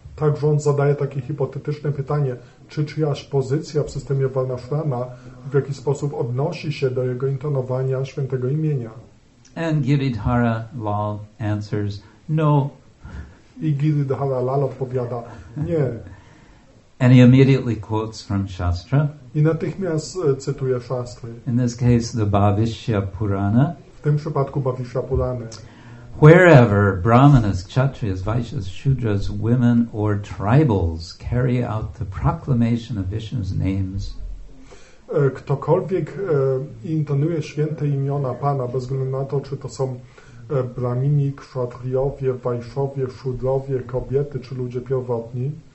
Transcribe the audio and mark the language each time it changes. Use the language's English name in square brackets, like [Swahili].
[Polish] Także on zadaje takie hipotetyczne pytanie, czy czyjaś pozycja w systemie Varnashrama w jakiś sposób odnosi się do jego intonowania świętego imienia. [English] And Giridhara Lal answers, no. [Polish] I Giridhara Lal odpowiada, nie. [English] And he immediately quotes from Shastra. [Polish] I natychmiast cytuje Shastry. [English] In this case, the Bhavishya Purana. [Polish] W tym przypadku Bhavishya Purana. [English] Wherever Brahmanas, Kshatriyas, Vaishyas, Shudras, women, or tribals carry out the proclamation of Vishnu's names, [Polish] ktokolwiek intonuje święte imiona Pana, bez względu na to, czy to są Brahmini, Kshatriowie, Vaishowie, Shudrowie, kobiety, czy ludzie pierwotni,